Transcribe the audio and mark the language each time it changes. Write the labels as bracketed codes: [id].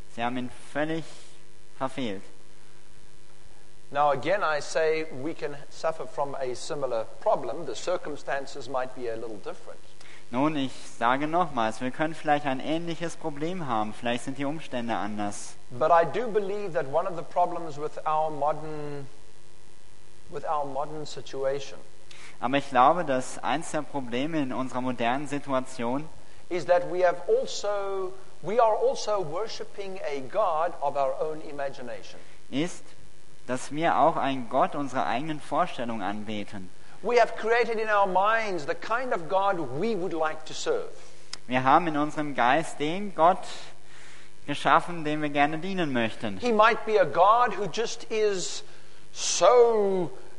[de] Sie haben ihn völlig verfehlt. [en] Now again I say we can suffer from a similar problem. The circumstances might be a little different. [de] Nun, ich sage nochmals, wir können vielleicht ein ähnliches Problem haben. Vielleicht sind die Umstände anders. [en] But I do believe that one of the problems with our modern situation. [de] Aber ich glaube, dass eins der Probleme in unserer modernen Situation [en] is that we are also worshiping a god of our own imagination. [de] Ist, dass wir auch einen Gott unserer eigenen Vorstellung anbeten. [en] We have created in our minds the kind of God we would like to serve. [de] Wir haben in unserem Geist den Gott geschaffen, dem wir gerne dienen möchten. [en] He might be a God who just is so